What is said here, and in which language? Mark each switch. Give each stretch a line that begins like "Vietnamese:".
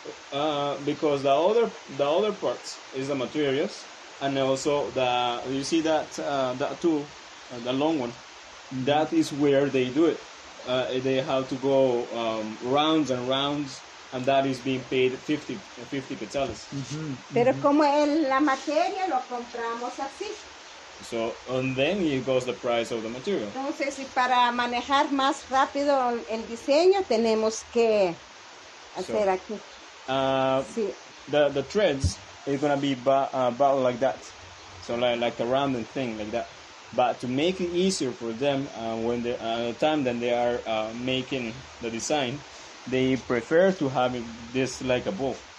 English: Because the other parts is the materials, and also the, you see that that tool, the long one, that is where they do it. They have to go rounds and rounds, and that is being paid 50 quetzales.
Spanish: Pero como en la materia lo compramos así.
English: So, and then it goes the price of the material.
Spanish: Entonces, y para manejar más rápido el diseño, tenemos que hacer aquí.
English: The threads is gonna be about like that, so like a rounded thing like that. But to make it easier for them, when they the time that they are making the design, they prefer to have it this like a bowl.